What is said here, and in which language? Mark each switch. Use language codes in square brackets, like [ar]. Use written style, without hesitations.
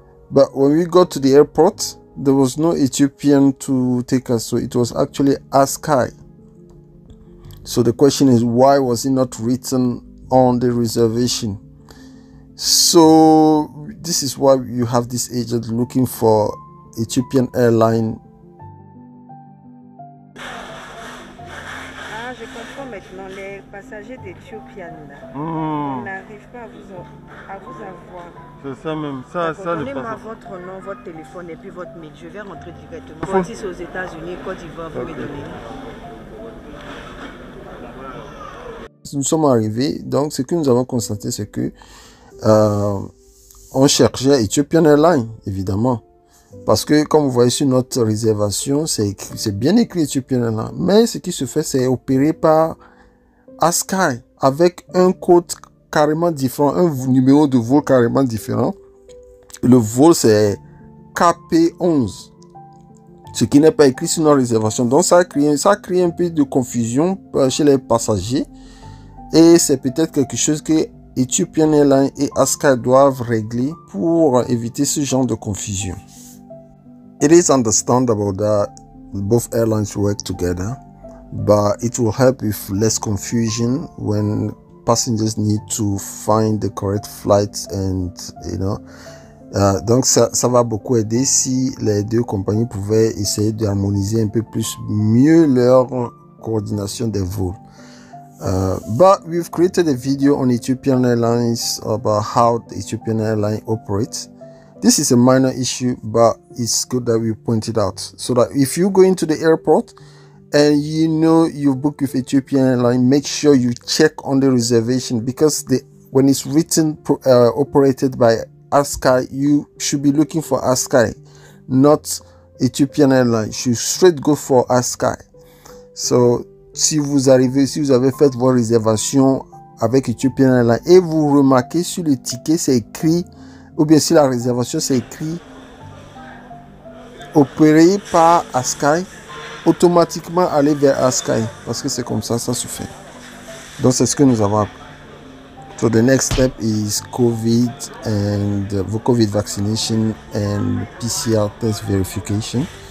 [en] But when we got to the airport, there was no Ethiopian to take us, so it was actually Sky. So the question is, why was it not written on the reservation? So this is why you have this agent looking for Ethiopian airline. [fr] Ah, je comprends maintenant, les passagers d'Ethiopian n'arrivent pas à vous avoir. C'est ça même, ça, ça le passage. Donnez-moi votre nom, votre téléphone et puis votre mail. Je vais rentrer directement. Quand c'est aux États-Unis, Côte d'Ivoire, vous me donnez. Nous sommes arrivés, donc ce que nous avons constaté, c'est que on cherchait Ethiopian Airlines, évidemment, parce que comme vous voyez sur notre réservation, c'est bien écrit Ethiopian Airlines, mais ce qui se fait, c'est opéré par Sky avec un code carrément différent, un numéro de vol carrément différent. Le vol, c'est KP11. Ce qui n'est pas écrit sur nos réservations. Donc, ça a créé un peu de confusion chez les passagers. Et c'est peut-être quelque chose que Ethiopian Airlines et Aska doivent régler pour éviter ce genre de confusion. [en] It is understandable that both airlines work together, but it will help with less confusion when passengers need to find the correct flight and, you know. [fr] Donc, ça va beaucoup aider si les deux compagnies pouvaient essayer d'harmoniser un peu plus mieux leur coordination des vols. [en] But we've created a video on Ethiopian Airlines about how the Ethiopian Airlines operates. This is a minor issue, but it's good that we pointed out. So that if you go into the airport and you know you book with Ethiopian Airlines, make sure you check on the reservation, because when it's written operated by Askai, you should be looking for Askai, not Ethiopian Airlines. You should straight go for Askai. [fr] So si vous avez fait vos réservations avec Ethiopian Airlines et vous remarquez sur le ticket c'est écrit, ou bien si la réservation c'est écrit opéré par Askai, automatiquement allez vers Askai, parce que c'est comme ça, ça se fait. Donc c'est ce que nous avons appris. [en] So the next step is COVID and COVID vaccination and PCR test verification.